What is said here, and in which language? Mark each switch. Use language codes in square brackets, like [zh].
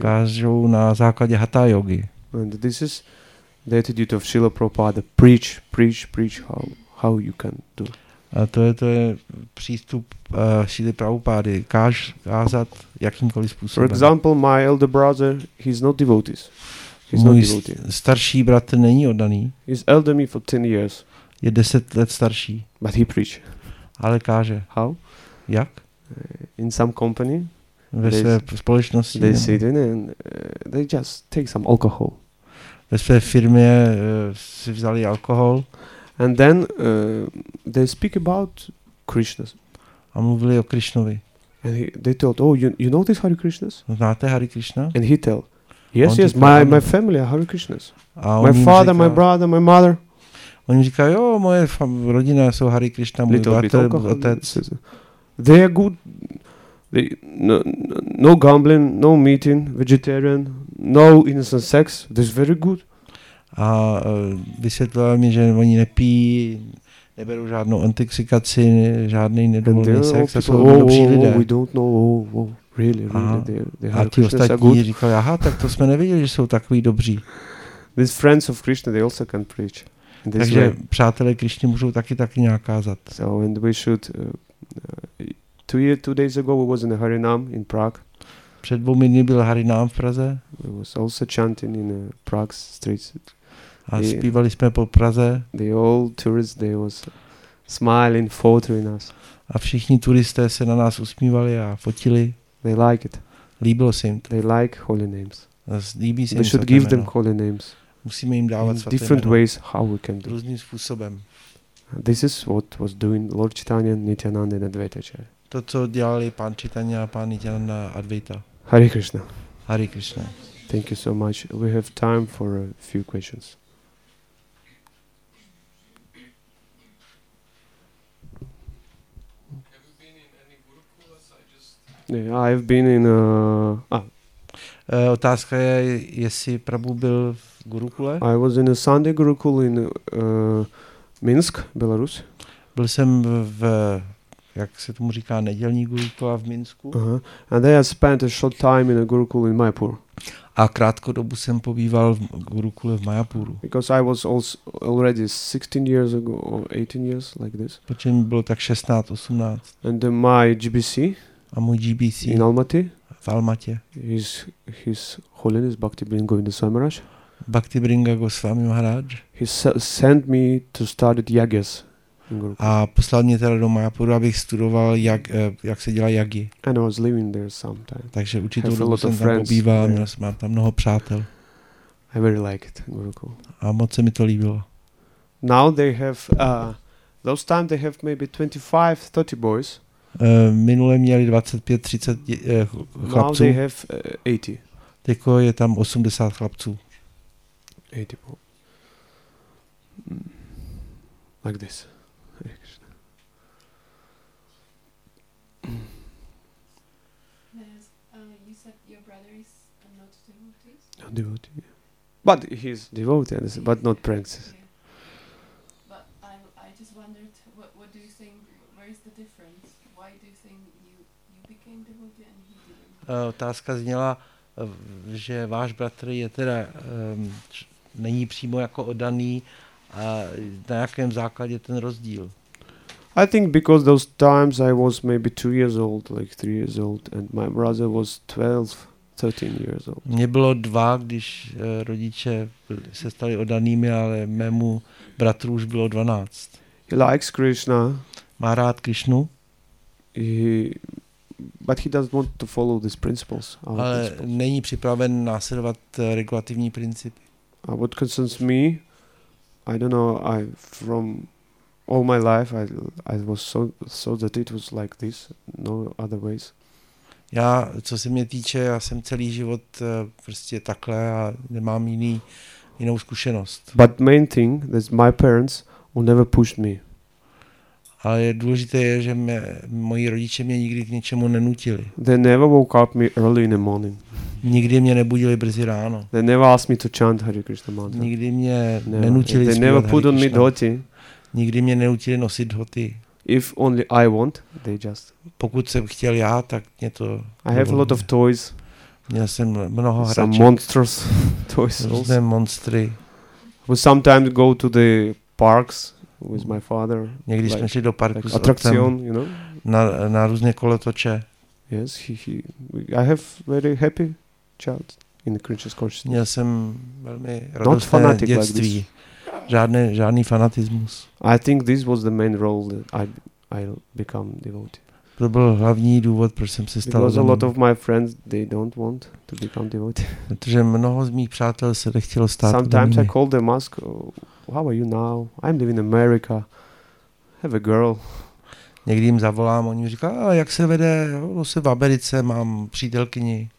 [cs] Kážou na základě Hatha Yogi. [en] And this is the attitude of Srila Prabhupada. Preach, preach, preach how you can do. [cs] A to je přístup Srily Prabhupády. Kázat jakýmkoliv způsobem. [en] For example, my elder brother, he's not devotees. [cs] Starší bratr není oddaný. [en] He's elder me for 10 years. [cs] Je 10 let starší. [en] But he preach. [cs] Ale káže. [en] How? [cs] Jak? [en] In some company. [cs] Ve své společnosti. [en] They sit in and they just take some alcohol. [cs] Ve své firmě si vzali alkohol. [en] And then they speak about Krishna. [cs] A mluvili o Krishnovi. [en] And they told, oh, you know this Hare Krishna? [cs] Znáte Hare Krishna? [en] And he tell, yes, yes, my family are Hare Krishna. My father, my brother, my mother. [cs] Oni říkají, jo, moje rodina jsou Hare Krishna, můj bratr, otec. [en] They are good. They, no gambling, no meeting, vegetarian, no innocent sex. This is very good. [cs] A vysvětlili mi, že oni nepijí, neberou žádnou intoxikaci, žádný nedovolený sex. A jsou dobří lidé. [en] We don't know. Really, [cs] a ti ostatní říkali, aha, tak to jsme nevěděli, že jsou takový dobří. [en] These friends of Krishna, they also can preach. [cs] Takže přátelé Krišny můžou taky nějak kázat. [en] So and we should two days ago we was in Harinam in Prague. [cs] Před dvoumi dny byl Harinam v Praze. [en] We was also chanting in Prague streets. [cs] A zpívali jsme po Praze. [en] The old tourists, they was smiling, photoing us. [cs] A všichni turisté se na nás usmívali a fotili. [en] They like it. [cs] Líbilo se jim. [en] They like holy names. [cs] Líbí se jim. [en] We should give them holy names. [cs] Musíme jim dávat svaté [en] different [cs] jméno. [en] Ways how we can do. [cs] Různým způsobem. [en] This is what was doing Lord Chaitanya, Nityananda and Advaita Acharya. [cs] To, co dělali pán Chaitanya a pán Nityananda Advaita. [en] Hare Krishna. [cs] Hare Krishna. [en] Thank you so much. We have time for a few questions. Have you been in any Gurukulas? [cs] Otázka je, jestli Prabhu byl v Gurukule. [en] I was in a Sunday Gurukul in Minsk, Belarus. [cs] Byl jsem v jak se tomu říká nedělní Gurukula v Minsku. Uh-huh. [en] And then I spent a short time in a Gurukul in Mayapur. [cs] A krátkou dobu jsem pobýval v Gurukule v Mayapuru. [en] Because I was also already 16 years ago or 18 years like this. [cs] Protože mi bylo tak 16, 18. [en] And then my GBC. [cs] A můj GBC. [en] In Almaty. [cs] V Almatě. [en] His Holiness Bhaktivinoda Govinda Swami Maharaj. [cs] Bhaktivinoda Goswami Maharaj. [en] He sent me to study yagyas. [cs] A poslal mě teda do Mayapuru, abych studoval, jak se dělá yagy. [en] And I was living there sometime. [cs] Takže určitou dobu jsem tam pobýval, mám tam mnoho přátel. [en] I very liked Gurukul. [cs] A moc se mi to líbilo. [en] Now they have, those times they have maybe 25-30 boys. [cs] Minule měli 25-30 chlapců. [en] Now they have 80. [cs] Teďko je tam 80 chlapců. [en] 80. Like this. You said your brother is not devotee. Not devotee. Yeah. But he's devotee, yeah. But not practice. Yeah. But I just wondered, what do you think? Where is the difference? Why do you think you became devotee and he didn't? [cs] Otázka zněla, že váš bratr je teda není přímo jako oddaný. A na jakém základě ten rozdíl? [en] I think because those times I was maybe 2 years old, like 3 years old, and my brother was 12-13 years old. [cs] Mě bylo dva, když rodiče se stali oddanými, ale mému bratru už bylo 12. [en] He likes Krishna. [cs] Má rád Krishnu. [en] But he doesn't want to follow these principles. [cs] Ale není připraven následovat regulativní principy. [en] What concerns me, I don't know, I from all my life I was so that it was like this, no other ways. [cs] Já, co se mě týče, já jsem celý život prostě takhle a nemám jinou zkušenost. [en] But main thing is my parents will never push me. [cs] Ale důležité je, že moji rodiče mě nikdy k něčemu nenutili. [en] They never woke up me early in the morning. [cs] Nikdy mě nebudili brzy ráno. [en] They never asked me to chant Hare Krishna mantra. [cs] Nikdy mě nenutili zpívat [en] Hare Krishna. They never put on me dhoti. [cs] Nikdy mě nenutili nosit dhoti. [en] If only I want, they just. [cs] Pokud jsem chtěl já, tak mě to. [en] I have a lot of toys. [cs] Měl jsem mnoho hraček. [en] Some monstrous toys. [cs] Různé monstry. [en] We sometimes go to the parks. With my father. [cs] Někdy jsme šli do parku. [en] Like atrakcion, you know? [cs] Na různé kolotoče. [en] Yes, I have very happy child in the Krishna consciousness. [cs] Měl jsem velmi radostné dětství. Like žádný fanatismus. [en] I think this was the main role that I become devotee. [cs] To byl hlavní důvod, proč jsem se stal. [en] Because a lot of my friends they don't want to become devotee. [cs] Protože mnoho z mých přátel se nechtělo stát. [en] Sometimes I call them ask. How are you now? I'm living in America. Have a girl. [cs] Někdy jim zavolám, oni mi říkají, jak se vede, jsem v Americe, mám přítelkyni.